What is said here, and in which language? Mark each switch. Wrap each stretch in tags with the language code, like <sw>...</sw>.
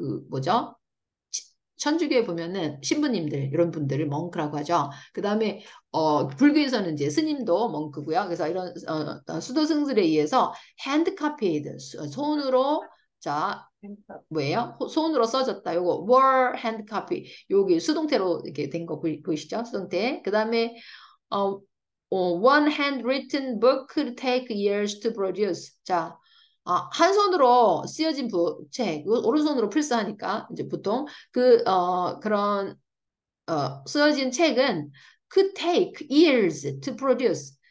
<ko>뭐죠? 천주교에 보면은 신부님들, 이런 분들을 monk라고 하죠. 그 다음에, 불교에서는 이제 스님도 멍크고요. 그래서 이런 수도승들에 의해서 핸드카피드 손으로 자 뭐예요? 손으로 써졌다. 요거 were 핸드카피 여기 수동태로 이렇게 된거 보이시죠? 수동태.</ko> <en>그다음에 one hand written book could take years to produce.</en> <ko>자. 한 손으로 쓰여진 책 오른손으로 필사하니까 이제 보통 그어 그런 쓰여진 책은</ko> <en>could take years to produce.</en>